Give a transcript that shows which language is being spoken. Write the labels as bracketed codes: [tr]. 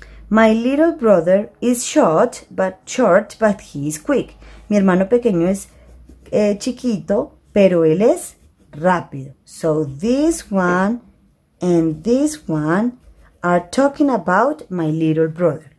[en] My little brother is short, but he is quick. [es] Mi hermano pequeño es chiquito, pero él es rápido. [en] So this one and this one are talking about my little brother.